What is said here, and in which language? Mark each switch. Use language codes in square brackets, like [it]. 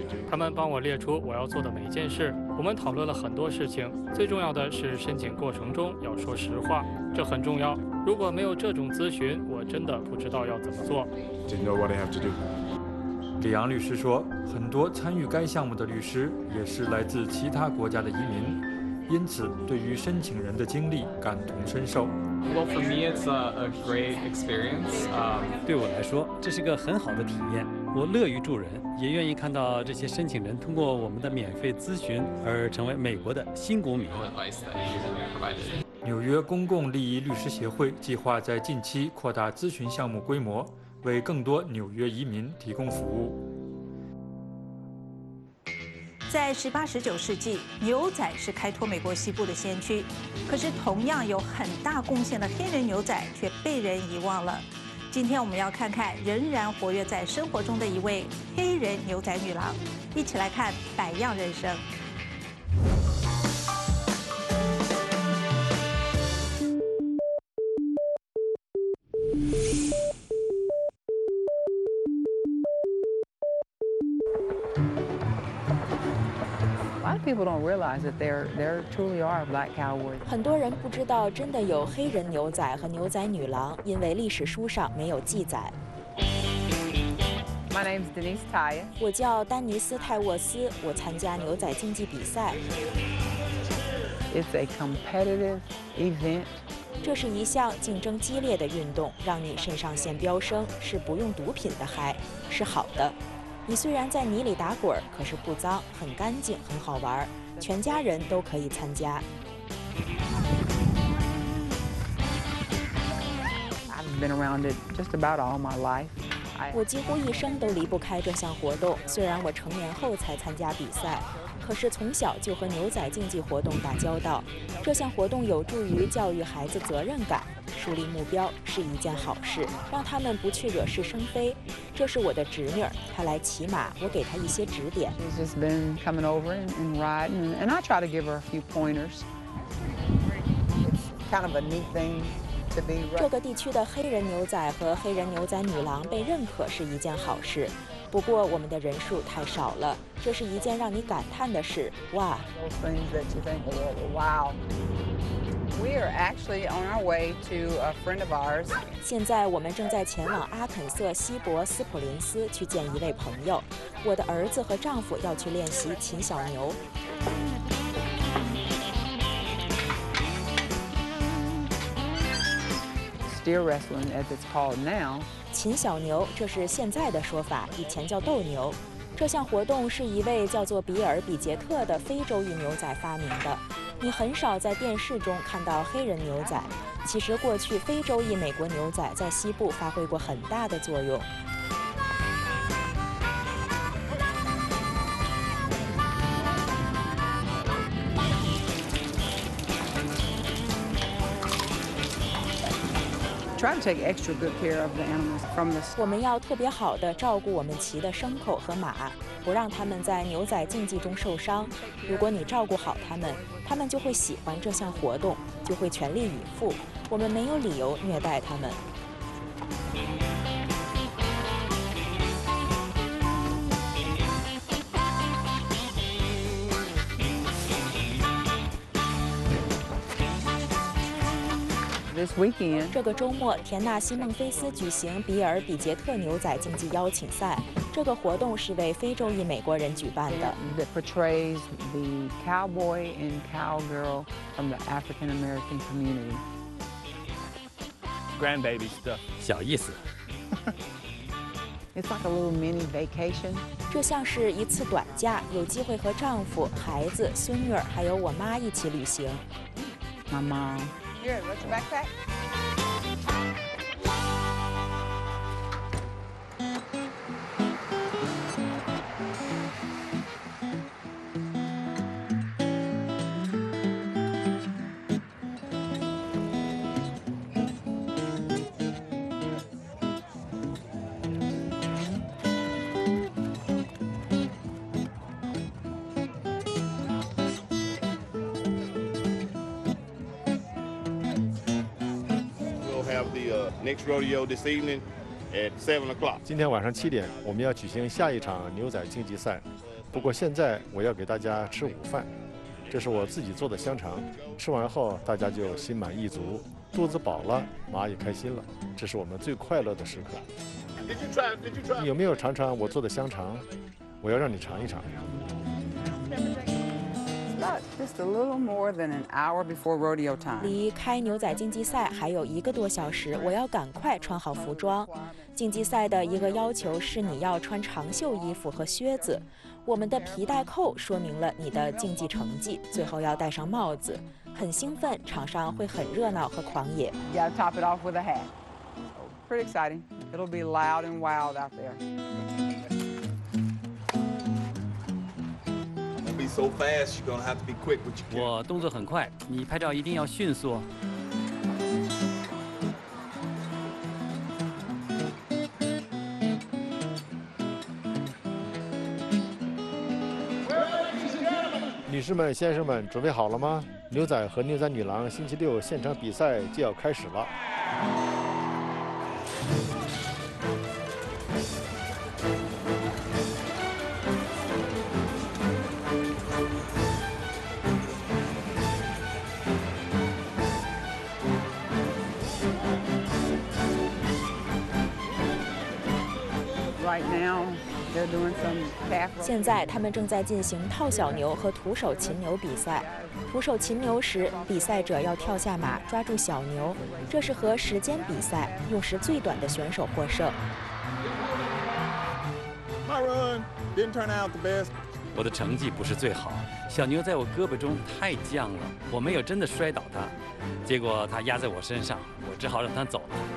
[zh] 他们帮我列出我要做的每一件事，我们讨论了很多事情，最重要的是申请过程中要说实话，这很重要，如果没有这种咨询，我真的不知道要怎么做。李阳律师说，很多参与该项目的律师也是来自其他国家的移民，因此对于申请人的经历感同身受。 [en] Well, for me, it's a great experience. [zh] 对我来说，这是个很好的体验。我乐于助人，也愿意看到这些申请人通过我们的免费咨询而成为美国的新公民。纽约公共利益律师协会计划在近期扩大咨询项目规模，为更多纽约移民提供服务。在18、19世纪，牛仔是开拓美国西部的先驱，可是同样有很大贡献的黑人牛仔却被人遗忘了。今天我们要看看仍然活跃在生活中的一位黑人牛仔女郎，一起来看《百样人生》。 [en] lot of people don't realize that there truly are black cowboys. [zh] 很多人不知道真的有黑人牛仔和牛仔女郎，因为历史书上没有记载。 [en] My name is Denise Tyus. [zh] 我叫丹尼斯·泰沃斯，我参加牛仔竞技比赛。 [en] It's a competitive event. [zh] 这是一项竞争激烈的运动，让你肾上腺飙升，是不用毒品的嗨，是好的。你虽然在泥里打滚，可是不脏，很干净，很好玩，全家人都可以参加。 [en] I've been around it just about all my life. [zh] 我几乎一生都离不开这项活动，虽然我成年后才参加比赛，可是从小就和牛仔竞技活动打交道。这项活动有助于教育孩子责任感，树立目标是一件好事，让他们不去惹是生非。这是我的侄女，她来骑马，我给她一些指点。 [en] She's just been coming over and riding, and I try to give her a few pointers. It's kind of a neat thing to be. [zh] 这个地区的黑人牛仔和黑人牛仔女郎被认可是一件好事，不过我们的人数太少了，这是一件让你感叹的事。哇 [en] ！Those things that you think, wow. We are actually on our way to a friend of ours. [zh] 现在我们正在前往阿肯色西伯斯普林斯去见一位朋友。我的儿子和丈夫要去练习骑小牛。 [en] Steer wrestling, as it's called now. [zh] 骑小牛，这是现在的说法，以前叫斗牛。这项活动是一位叫做比尔·比杰特的非洲裔牛仔发明的。你很少在电视中看到黑人牛仔，其实过去非洲裔美国牛仔在西部发挥过很大的作用。 [en] Try to take extra good care of the animals from the. [zh] 我们要特别好的照顾我们骑的牲口和马，不让他们在牛仔竞技中受伤。如果你照顾好他们，他们就会喜欢这项活动，就会全力以赴。我们没有理由虐待他们。 [en] This weekend, [zh] 这个周末，田纳西·孟菲斯举行比尔·比杰特牛仔竞技邀请赛。这个活动是为非洲裔美国人举办的。 [en] That portrays the cowboy and cowgirl from the African American community. Grandbaby stuff. [zh] 小意思。 [en] It's like a little mini vacation. [zh] 这像是一次短假，有机会和丈夫、孩子、孙女还有我妈一起旅行。妈妈。 [en] Next rodeo this evening at 7 o'clock. [zh] 今天晚上七点，我们要举行下一场牛仔竞技赛。不过现在我要给大家吃午饭，这是我自己做的香肠。吃完后大家就心满意足，肚子饱了，马也开心了，这是我们最快乐的时刻。 [en] Did you try? [zh] 你有没有尝尝我做的香肠？我要让你尝一尝。 [en] Just a little more than an hour before rodeo time. [zh] 离开牛仔竞技赛还有一个多小时，我要赶快穿好服装。竞技赛的一个要求是你要穿长袖衣服和靴子。我们的皮带扣说明了你的竞技成绩。最后要戴上帽子。很兴奋，场上会很热闹和狂野。 [en] Yeah, top it off with a hat. Pretty exciting. It'll be loud and wild out there. So fast, you're gonna have to be quick with your. [zh] 我动作很快，你拍照一定要迅速。女士们、先生们，准备好了吗？牛仔和牛仔女郎星期六现场比赛就要开始了。现在他们正在进行套小牛和徒手擒牛比赛。徒手擒牛时，比赛者要跳下马抓住小牛，这是和时间比赛，用时最短的选手获胜。 [en] My run didn't turn out the best. [zh] 我的成绩不是最好，小牛在我胳膊中太犟了，我没有真的摔倒它，结果它压在我身上，我只好让它走了。